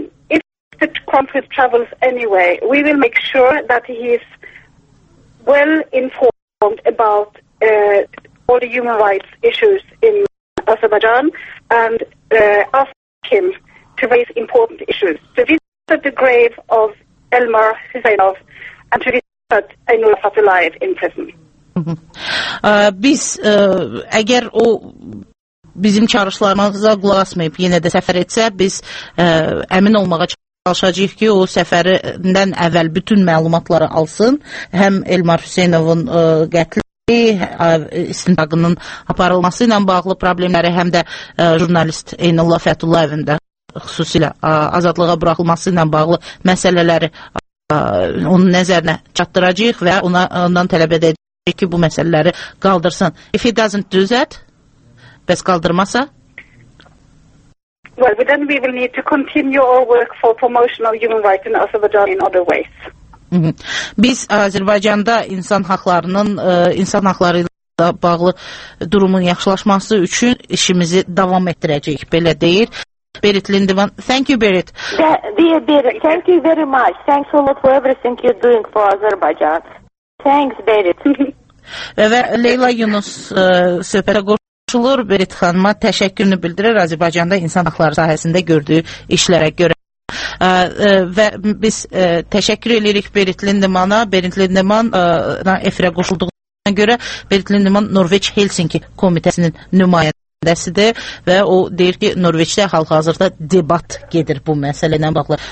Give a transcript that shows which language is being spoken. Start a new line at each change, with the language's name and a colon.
English: If the Crown Prince travels anyway, we will make sure that he is well informed about all the human rights issues in Azerbaijan and ask him to raise important issues, to visit the grave of Elmar Hüseynov and to visit Aynur Fatulayev in prison.
Azerbaijani: Biz əgər o bizim çağırışlarımıza qulaq asmayıb yenə də səfər etsə, biz əmin olmağa çalışacağıq ki, o səfərindən əvvəl bütün məlumatları alsın, həm Elmar Hüseynovun qətli istintaqının aparılması ilə bağlı problemləri, həm də jurnalist Eynullah Fətullayevin də xüsusilə azadlığa buraxılması ilə bağlı məsələləri onun nəzərinə çatdıracaq və ondan tələb edəcək ki, bu məsələləri qaldırsın.
English: If he doesn't do that,
Azerbaijani: bəs qaldırmasa?
English: Well, then we will need to continue our work for promotion of human rights in Azerbaijan in other ways.
Azerbaijani: Biz Azərbaycanda insan haqlarının, insan haqları ilə bağlı durumun yaxşılaşması üçün işimizi davam etdirəcəyik, belə deyir.
English: Berit Lindemann, thank you, Berit. Thank you very much. Thanks a lot for everything you're doing for Azerbaijan. Thanks, Berit.
Azerbaijani: Və Leyla Yunus söhbətə qoşulur. Berit xanıma təşəkkürünü bildirir Azərbaycanda insan haqları sahəsində gördüyü işlərə görə. Və biz təşəkkür edirik Berit Lindemana. Berit Lindemann efirə qoşulduğuna görə Berit Lindemann Norveç Helsinki komitəsinin nümayəndəsidir və o deyir ki, Norveçdə hal-hazırda debat gedir bu məsələ ilə bağlı.